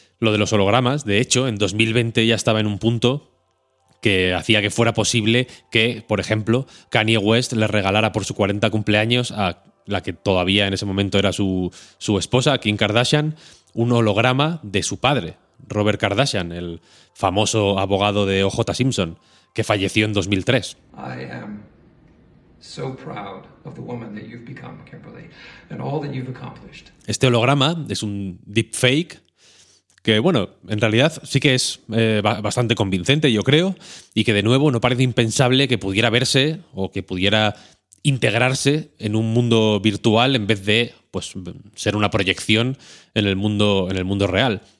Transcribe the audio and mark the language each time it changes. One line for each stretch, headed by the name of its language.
Spanish: Lo de los hologramas, de hecho, en 2020 ya estaba en un punto que hacía que fuera posible que, por ejemplo, Kanye West le regalara por su 40 cumpleaños a la que todavía en ese momento era su esposa, Kim Kardashian, un holograma de su padre, Robert Kardashian, el famoso abogado de O.J. Simpson, que falleció en 2003.
English: I am so proud of the woman that you've become, Kimberly, and all that you've accomplished.
Spanish: Este holograma es un deepfake que, bueno, en realidad sí que es bastante convincente, yo creo, y que, de nuevo, no parece impensable que pudiera verse o que pudiera integrarse en un mundo virtual en vez de, pues, ser una proyección en el mundo real.